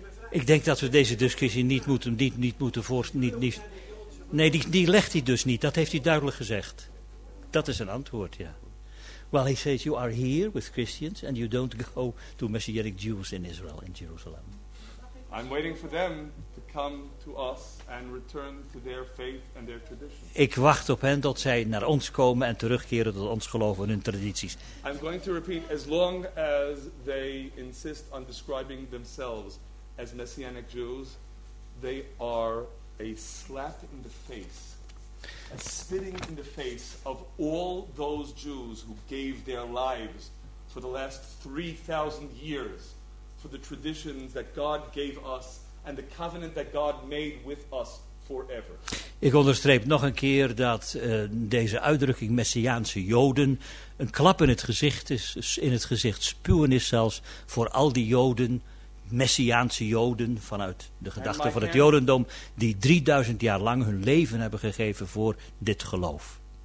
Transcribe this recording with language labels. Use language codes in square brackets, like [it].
[nl] Ik denk dat we deze discussie niet moeten voort. Nee, die legt hij dus niet. Dat heeft hij duidelijk gezegd. Dat is een antwoord, ja. [en] Well, he says you are here with Christians and you don't go to Messianic Jews in Israel, in Jerusalem. I'm waiting for them to come to us and return to their faith and their traditions. [nl] Ik wacht op hen tot zij naar ons komen en terugkeren tot ons geloof en hun tradities. [en] I'm going to repeat as long as they insist on describing themselves as Messianic Jews, they are a slap in the face, a spitting in the face of all those Jews who gave their lives for the last 3,000 years for the traditions that God gave us and the covenant that God made with us forever. [nl] Ik onderstreep nog een keer dat deze uitdrukking Messiaanse Joden een klap in het gezicht is, in het gezicht spuwen is zelfs voor al die Joden, Messiaanse Joden vanuit de gedachte van het Jodendom, die 3000 jaar lang hun leven hebben gegeven voor dit geloof.